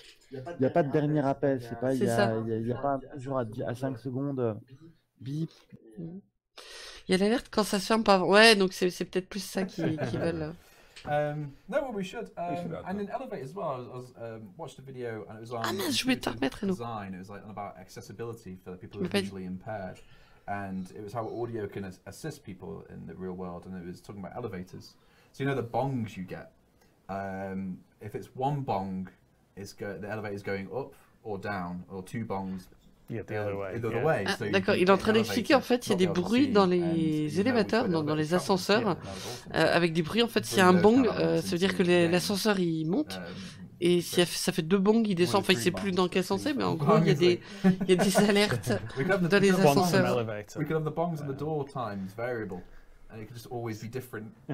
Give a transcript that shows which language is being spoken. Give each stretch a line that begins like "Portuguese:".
French: Il n'y a pas de dernier appel, c'est pas... C'est ça. Il n'y a pas toujours à 5 secondes... Bip. Il y a l'alerte quand ça se ferme pas avant. Ouais, donc c'est peut-être plus ça qu'ils veulent...
English: And in elevator as well, I watched a video and it was on design, it was like on about accessibility for people who are visually impaired, and it was how audio can assist people in the real world, and it was talking about elevators. So you know the bongs you get, if it's one bong, the elevator is going up or down, or two bongs. The other way.
French: Ah, so d'accord, il est en train d'expliquer, en fait, il y a des bruits dans les élévateurs, dans les ascenseurs, avec des bruits, en fait, s'il y a un bong, ça veut dire que l'ascenseur, il monte, et si ça fait deux bongs, il descend, enfin, il ne sait plus dans quel sens c'est, mais en gros, il y a des alertes dans les ascenseurs.
English: We could have the bongs and the door times variable, and it could just always be different.